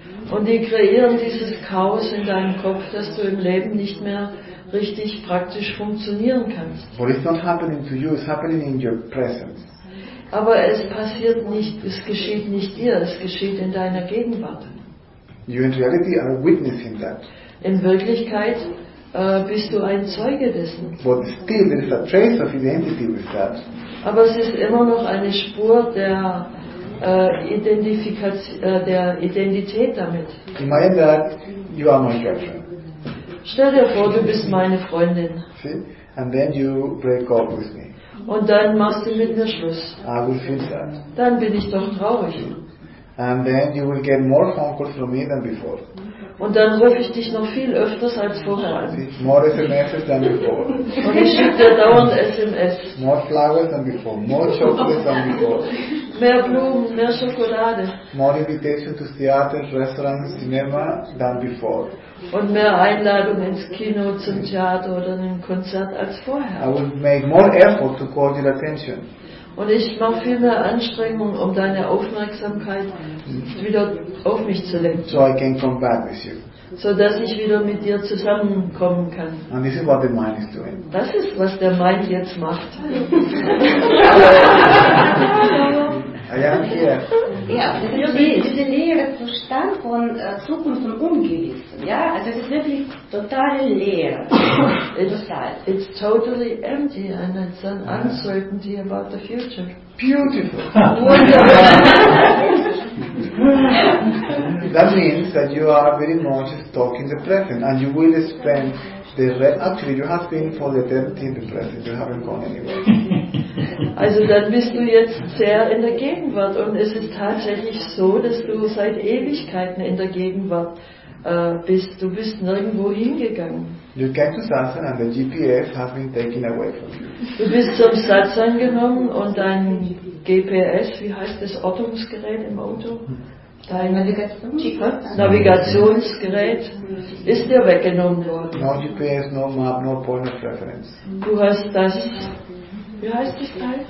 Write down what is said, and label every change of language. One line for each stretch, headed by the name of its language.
German: Und die kreieren dieses Chaos in deinem Kopf, dass du im Leben nicht mehr richtig praktisch funktionieren kannst.
English: But it's not happening to you, it's happening in your presence.
German: Aber es passiert nicht, es geschieht nicht dir, es geschieht in deiner Gegenwart.
English: You in reality are witnessing that.
German: In Wirklichkeit bist du ein Zeuge dessen.
English: But still, there is a trace of identity with that.
German: Aber es ist immer noch eine Spur der Identität damit.
English: Imagine that you are my girlfriend.
German: Stell dir vor, du bist meine Freundin.
English: See? And then you break up with me.
German: Und dann machst du mit mir Schluss.
English: I will feel that.
German: Dann bin ich doch traurig.
English: See? And then you will get more phone calls from me than before.
German: Und dann rufe ich dich noch viel öfters als vorher.
English: More SMSs than before.
German: Und ich schicke dir dauernd SMS.
English: More flowers than before. More chocolates than before.
German: Mehr Blumen, mehr Schokolade.
English: More invitations to theaters, restaurants, cinema than before.
German: Und mehr Einladungen ins Kino, zum Theater oder einem Konzert als vorher.
English: I will make more effort to call your attention.
German: Und ich mache viel mehr Anstrengungen, um deine Aufmerksamkeit wieder auf mich zu lenken.
English: So I can come back with you.
German: So dass ich wieder mit dir zusammenkommen kann.
English: And this is what the mind is doing.
German: Das ist, was der Mind jetzt macht.
English: I am here.
German: Ja, das ist diese leere Zustand von Zukunft und Ungewissen. Ja, also es ist wirklich total leer.
English: It's totally empty and it's an uncertainty about the future. Beautiful. Wonderful. That means that you are very much stuck in the present and you will spend the rest. Actually, you have been for the 13th in the present. You haven't gone anywhere.
German: Also dann bist du jetzt sehr in der Gegenwart und es ist tatsächlich so, dass du seit Ewigkeiten in der Gegenwart bist. Du bist nirgendwo hingegangen.
English: You came to Satsang and the GPS has been taken away from you.
German: Du bist zum Satsang genommen und dein GPS, wie heißt das, Ortungsgerät im Auto? Dein Navigationsgerät ist dir weggenommen worden.
English: No GPS, no map, no point of reference.
German: Du hast das... Wie heißt das Teil?